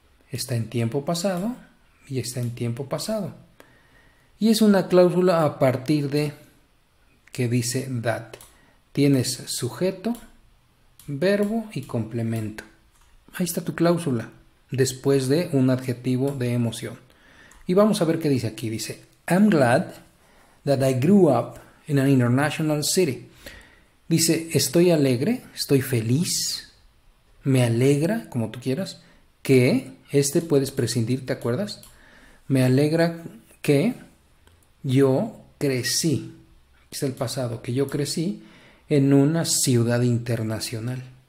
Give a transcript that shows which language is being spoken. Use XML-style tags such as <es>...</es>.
<es>Está en tiempo pasado y está en tiempo pasado. Y es una cláusula a partir de que dice that. Tienes sujeto, verbo y complemento. Ahí está tu cláusula. después de un adjetivo de emoción. Y vamos a ver qué dice aquí. Dice,</es> <en>I'm glad that I grew up in an international city.</en> <es>Dice, estoy alegre, estoy feliz, me alegra, como tú quieras, que, este puedes prescindir, ¿te acuerdas? Me alegra que yo crecí, es el pasado, que yo crecí en una ciudad internacional.</es>